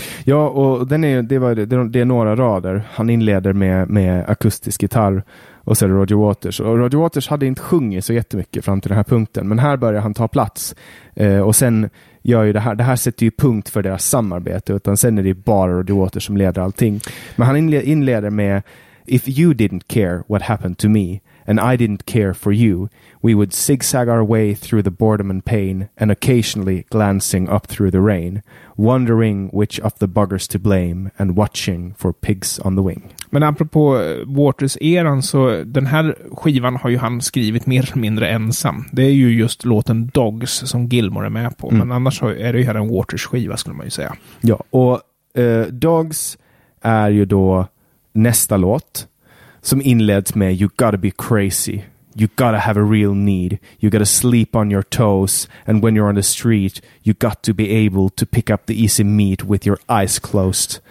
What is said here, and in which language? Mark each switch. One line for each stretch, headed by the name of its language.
Swedish: Ja, och det är några rader. Han inleder med akustisk gitarr, och så är det Roger Waters. Och Roger Waters hade inte sjungit så jättemycket fram till den här punkten, men här börjar han ta plats. Och sen gör ju det här sätter ju punkt för deras samarbete, utan sen är det bara Roger Waters som leder allting. Men han inleder med
English: "If you didn't care what happened to me, and I didn't care for you, we would zigzag our way through the boredom and pain, and occasionally glancing up through the rain, wondering which of the buggers to blame, and watching for pigs on the wing."
Swedish: Men apropå Waters-eran, så den här skivan har ju han skrivit mer eller mindre ensam. Det är ju just låten Dogs som Gilmore är med på, men annars är det ju här en Waters-skiva, skulle man ju säga. Ja, och Dogs är ju då nästa låt, som inleds med
English: "You gotta be crazy, you gotta have a real need, you gotta sleep on your toes, and when you're on the street, you got to be able to pick up the easy meat with your eyes closed."